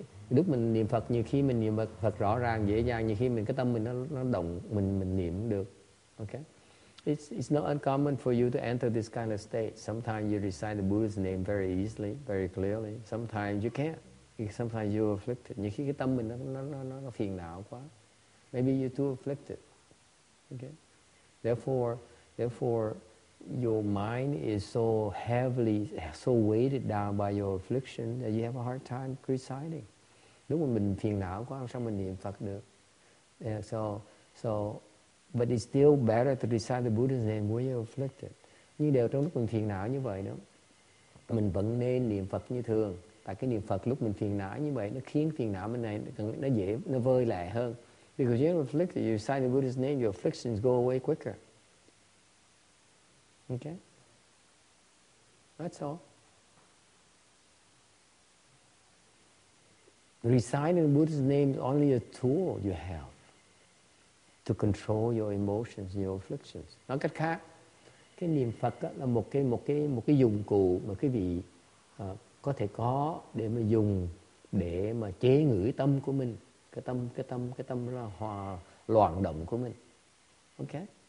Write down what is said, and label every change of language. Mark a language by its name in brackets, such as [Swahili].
[Vietnamese] lúc mình niệm Phật, nhiều khi mình niệm Phật rõ ràng dễ dàng, nhiều khi mình cái tâm mình nó động, mình niệm được. [English] Okay, it's not uncommon for you to enter this kind of state. Sometimes you recite the Buddha's name very easily, very clearly. Sometimes you can't. Sometimes you're afflicted. [Vietnamese] Nhiều khi cái tâm mình nó phiền não quá. [English] Maybe you're too afflicted. Okay, therefore your mind is so heavily, so weighted down by your affliction that you have a hard time reciting. [Vietnamese] Lúc mà mình phiền não quá, sao mình niệm Phật được? [English] Yeah, so, but it's still better to recite the Buddha's name when you're afflicted. [Vietnamese] Nhưng đều trong lúc mình phiền não như vậy đó, mình vẫn nên niệm Phật như thường. Tại cái niệm Phật lúc mình phiền não như vậy, nó khiến phiền não mình này nó dễ, nó vơi lẻ hơn. [English] Because you're afflicted, you recite the Buddha's name, your afflictions go away quicker. Okay? That's all. Reciting the Buddha's name is only a tool you have to control your emotions, your afflictions. [Vietnamese] Nói cách khác, cái niệm Phật đó là một cái dụng cụ mà quý vị có thể có để mà dùng để mà chế ngự tâm của mình, cái tâm là hòa loạn động của mình. Okay?